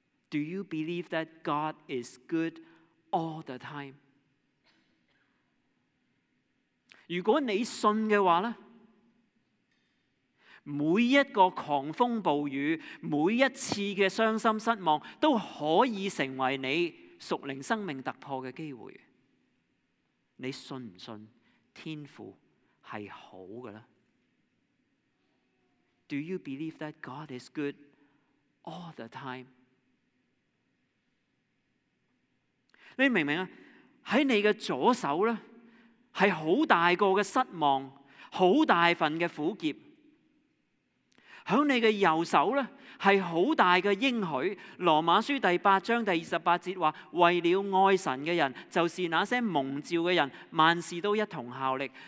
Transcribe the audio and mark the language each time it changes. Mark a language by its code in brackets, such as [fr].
[en] Do you believe that God is good all the time？ [zh] 如果你信的话，每一个狂风暴雨，每一次的伤心失望，都可以成为你属灵生命突破的机会。你信不信天父是好的呢？ [en] Do you believe that God is good all the time？ [zh] 你明白吗？在你的左手呢，是很大个的失望，很大份的苦涩。在你的右手呢，是很大的应许。罗马书第八章第二十八节说，为了爱神的人，就是那些蒙召的人，万事都一同效力。